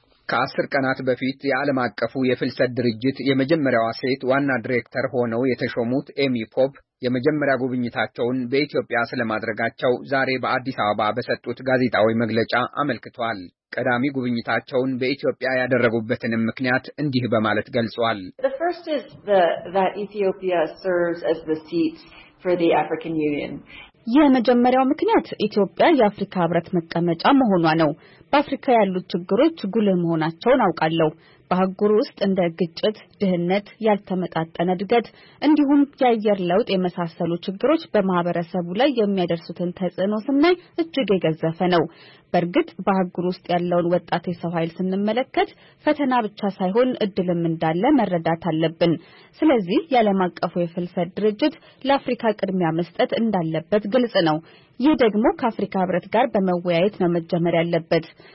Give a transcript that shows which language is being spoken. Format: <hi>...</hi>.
<am>ከአስር ቀናት በፊት የዓለም አቀፉ የፍልሰት ድርጅት የመጀመሪያዋ ሴት ዋና ዲሬክተር ሆነው የተሾሙት ኤሚ ፖፕ የመጀመሪያ ጉብኝታቸውን በኢትዮጵያ ስለማድረጋቸው ዛሬ በአዲስ አበባ በሰጡት ጋዜጣዊ መግለጫ አመልክቷል። ቀዳሚ ጉብኝታቸውን በኢትዮጵያ ያደረጉበትን ምክንያት እንዲህ በማለት ገልጿል።</am> <en>The first is that Ethiopia serves as the seat for the African Union.</en> <am>የመጀመሪያው ምክንያት ኢትዮጵያ የአፍሪካ ህብረት መቀመጫ መሆኗ ነው። በአፍሪካ ያሉት ችግሮች ጉልህ መሆናቸውን አውቃለሁ። በአህጉር ውስጥ እንደ ግጭት ድህነት ያልተመጣጠነ እድገት እንዲሁም የአየር ለውጥ የመሳሰሉ ችግሮች በማህበረሰቡ ላይ የሚያደርሱትን ተጽዕኖ ስናይ እጅግ የገዘፈ ነው። በርግጥ በአህጉር ውስጥ ያለውን ወጣት የሰው ኃይል ስንመለከት ፈተና ብቻ ሳይሆን እድልም እንዳለ መረዳት አለብን። ስለዚህ የዓለም አቀፉ የፍልሰት ድርጅት ለአፍሪካ ቅድሚያ መስጠት እንዳለበት ግልጽ ነው። ይህ ደግሞ ከአፍሪካ ህብረት ጋር በመወያየት መጀመር ያለበት።</am>